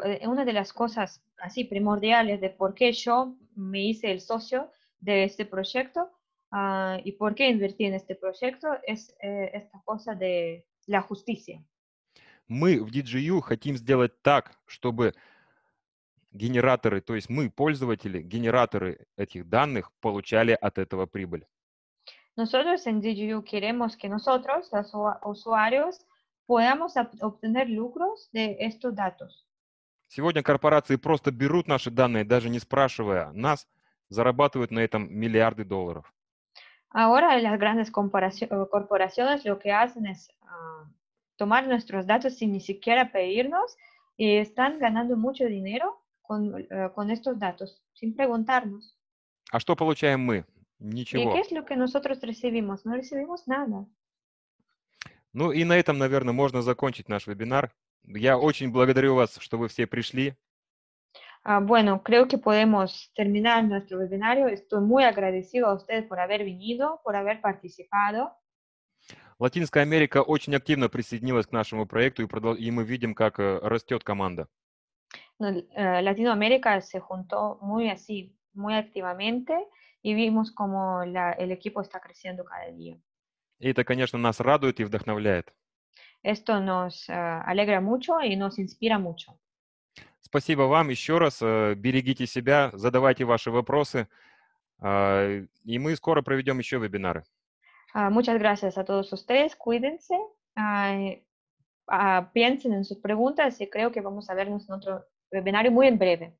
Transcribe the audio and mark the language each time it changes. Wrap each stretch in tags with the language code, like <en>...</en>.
<es>Una de las cosas así primordiales de por qué yo me hice el socio de este proyecto y por qué invertí en este proyecto es esta cosa de la justicia.</es> <ru>Мы в DGU хотим сделать так, чтобы генераторы, то есть мы, пользователи, генераторы этих данных, получали от этого прибыль.</ru> <es>Nosotros en DGU queremos que nosotros, los usuarios, podamos obtener lucros de estos datos.</es> <ru>Сегодня корпорации просто берут наши данные, даже не спрашивая нас, зарабатывают на этом миллиарды долларов.</ru> <es>Ahora las grandes corporaciones lo que hacen es tomar nuestros datos sin ni siquiera pedirnos y están ganando mucho dinero con estos datos, sin preguntarnos.</es> <ru>А что получаем мы? Ничего.</ru> <es>¿Y qué es lo que nosotros recibimos? No recibimos nada.</es> <ru>Ну и на этом, наверное, можно закончить наш вебинар. Я очень благодарю вас, что вы все пришли.</ru> <es>Bueno, creo que podemos terminar nuestro webinario. Estoy muy agradecido a ustedes por haber venido, por haber participado.</es> <ru>Латинская Америка очень активно присоединилась к нашему проекту, и мы видим, как растет команда.</ru> <es>Latinoamérica se juntó muy así, muy activamente, y vimos como el equipo está creciendo cada día.</es> <ru>И это, конечно, нас радует и вдохновляет.</ru> <es>Esto nos alegra mucho y nos inspira mucho.</es> <ru>Спасибо вам еще раз. Берегите себя, задавайте ваши вопросы. И мы скоро проведем еще вебинары.</ru> <es>Muchas gracias a todos ustedes. Cuídense. Piensen en sus preguntas y creo que vamos a vernos en otro вебинарий muy en breve.</es>